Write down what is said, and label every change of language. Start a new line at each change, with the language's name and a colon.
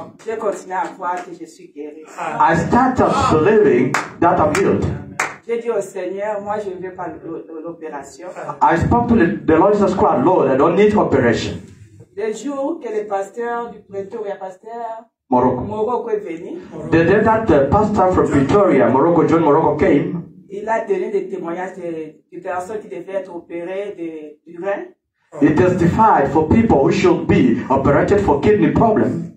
French: J'ai continué à croire que je suis guéri.
English: I started believing that I'm healed.
French: J'ai dit au Seigneur, moi je ne veux pas l'opération.
English: I spoke to the Lord Jesus Christ, Lord, I don't need operation.
French: Le jour que le pasteur du Plateau et pasteur Morocco est venu,
English: the day that the pastor from Victoria, Morocco, John Morocco came,
French: il a donné des témoignages de personnes qui devaient être opérées du rein.
English: He testified for people who should be operated for kidney problem.